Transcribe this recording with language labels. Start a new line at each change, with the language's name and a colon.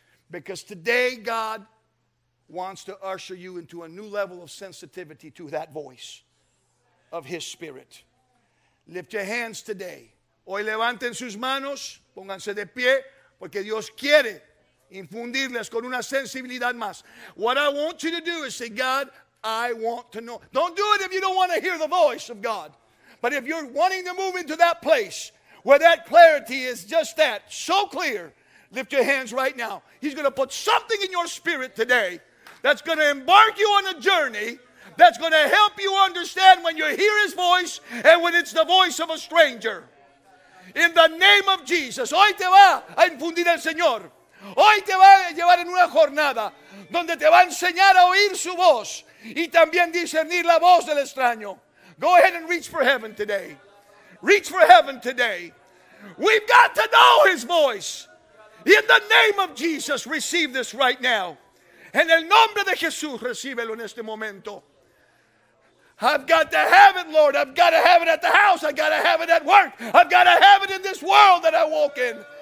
English: Because today God wants to usher you into a new level of sensitivity to that voice of His Spirit. Lift your hands today.
Spanish: Hoy levanten sus manos, pónganse de pie, porque Dios quiere infundirles con una sensibilidad más.
English: What I want you to do is say, God, I want to know. Don't do it if you don't want to hear the voice of God. But if you're wanting to move into that place where that clarity is just that, so clear, lift your hands right now. He's going to put something in your spirit today that's going to embark you on a journey that's going to help you understand when you hear His voice and when it's the voice of a stranger. In the name of Jesus,
Spanish: hoy te va a infundir el Señor. Hoy te va a llevar en una jornada donde te va a enseñar a oír su voz y también discernir la voz del extraño.
English: Go ahead and reach for heaven today. Reach for heaven today. We've got to know His voice. In the name of Jesus, receive this right now.
Spanish: En el nombre de Jesús, recíbelo en este momento.
English: I've got to have it, Lord. I've got to have it at the house. I've got to have it at work. I've got to have it in this world that I walk in.